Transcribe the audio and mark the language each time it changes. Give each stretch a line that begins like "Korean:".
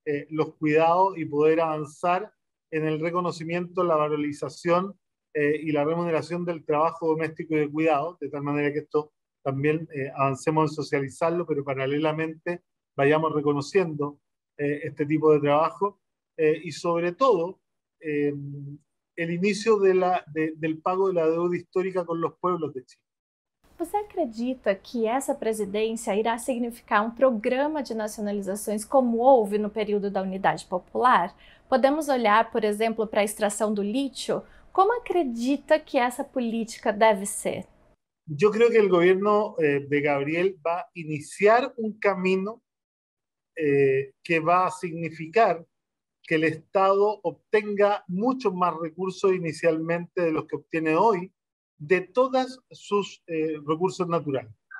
Spanish: los cuidados y poder avanzar en el reconocimiento, la valorización y la remuneración del trabajo doméstico y de cuidado, de tal manera que esto también avancemos en socializarlo, pero paralelamente vayamos reconociendo este tipo de trabajo, y sobre todo el inicio del pago de la deuda histórica con los pueblos de Chile.
Portuguese: Você acredita que essa presidência irá significar um programa de nacionalizações como houve no período da Unidade Popular? Podemos olhar, por exemplo, para a extração do lítio? Como acredita que essa política deve ser?
Spanish: Yo creo que el gobierno de Gabriel va a iniciar un camino que va a significar que el Estado obtenga muchos más recursos inicialmente de los que obtiene hoy de todos sus recursos naturales.